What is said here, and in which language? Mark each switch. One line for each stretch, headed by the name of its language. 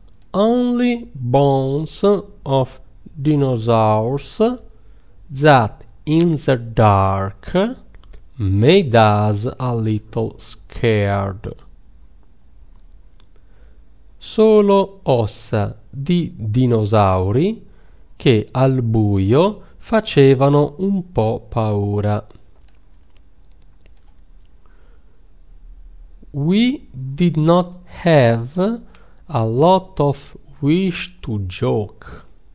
English: Only bones of dinosaurs that in the dark made us a little scared.
Italian: Solo ossa di dinosauri che al buio facevano un po' paura.
English: We did not have a lot of wish to joke.